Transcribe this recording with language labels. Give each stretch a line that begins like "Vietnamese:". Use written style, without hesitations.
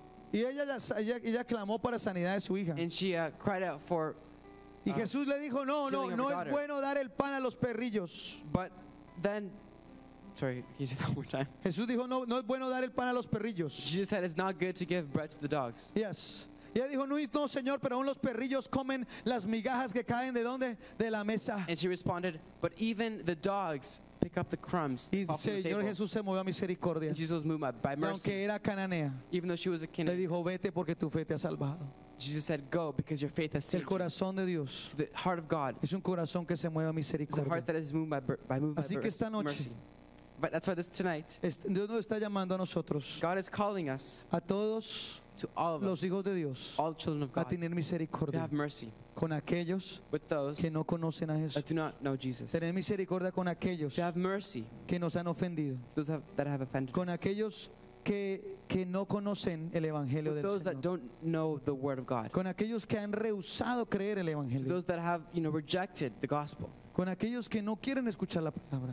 Spanish: Y ella clamó para sanidad de su hija.
English: And she cried out for
Spanish: y Jesús le dijo, no es bueno dar el pan a los perrillos.
English: But then sorry, can you say that one more time?
Spanish: Jesús dijo, no es bueno dar el pan a los perrillos.
English: Jesus said it's not good to give bread to the dogs. Yes.
Spanish: Y ella dijo, no, señor, pero aún los perrillos comen las migajas que caen de dónde, de la mesa.
English: And she responded, but even the dogs pick up the crumbs.
Spanish: Y señor Jesús se movió a misericordia.
English: Jesus moved by mercy.
Spanish: Aunque era cananea.
English: Even though she was a Canaan.
Spanish: Le dijo, vete porque tu fe te ha salvado.
English: Jesus said, go because your faith has saved you.
Spanish: El corazón de Dios.
English: The heart of God.
Spanish: Es un corazón que se mueve a misericordia.
English: It's a heart that is moved by mercy.
Spanish: Así que esta noche.
English: But that's why this tonight.
Spanish: Dios nos está llamando a nosotros.
English: God is calling us.
Spanish: A todos.
English: To all of
Spanish: los hijos de Dios.
English: All children of God.
Spanish: A tener misericordia.
English: To have mercy.
Spanish: Con aquellos.
English: With those.
Spanish: Que no conocen a Jesús.
English: That do not know Jesus.
Spanish: Tener misericordia con aquellos.
English: To have mercy.
Spanish: Que nos han ofendido.
English: Those that have offended.
Spanish: Con aquellos que no conocen el evangelio del Señor.
English: Those that don't know the word of God.
Spanish: Con aquellos que han rehusado creer el evangelio.
English: To those that have, you know, rejected the gospel.
Spanish: Con aquellos que no quieren escuchar la palabra.